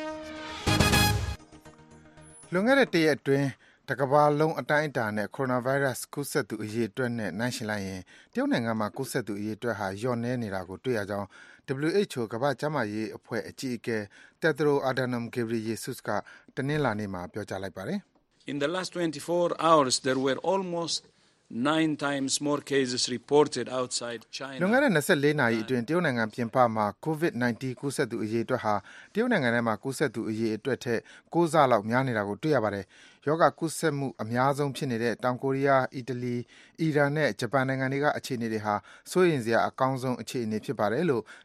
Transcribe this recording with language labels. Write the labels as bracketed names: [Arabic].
[Burmese] လွန်ခဲ့တဲ့တရက်အတွင်းတကဘာလုံးအတိုင်းအတာနဲ့ကိုရိုနာဗိုင်းရပ်စ်ကူးစက်သူအရေအတွက်နဲ့နိုင်ရှင်လိုက်ရင်တရုတ်နိုင်ငံမှာကူးစက်သူအရေအတွက်ဟာလျော့နေနေတာကိုတွေ့ရကြောင်း WHO ကမ္ဘာ့ကျန်းမာရေးအဖွဲ့အကြီးအကဲတက်ဒရိုအာဒနမ်ဂေဗရီယေဆုစ်ကတနင်္လာနေ့မှာပြောကြားလိုက်ပါတယ် [English] In the last 24 hours there were almost 9 times more cases reported outside China [Burmese] လွန်ခဲ့တဲ့24နာရီအတွင်းတရုတ်နိုင်ငံပြင်ပမှာ COVID-19 ကူးစက်သူအရေအတွက်ဟာတရုတ်နိုင်ငံထဲမှာကူးစက်သူအရေအတွက်ထက်9ဆလောက်များနေတာကိုတွေ့ရပါတယ်ယောဂကူးစက်မှုအများဆုံးဖြစ်နေတဲ့တောင်ကိုရီးယား၊အီတလီ၊အီရန်နဲ့ဂျပန်နိုင်ငံတွေကအခြေအနေတွေဟာစိုးရိမ်စရာအကောင်းဆုံးအခြေအနေဖြစ်ပါတယ်လို့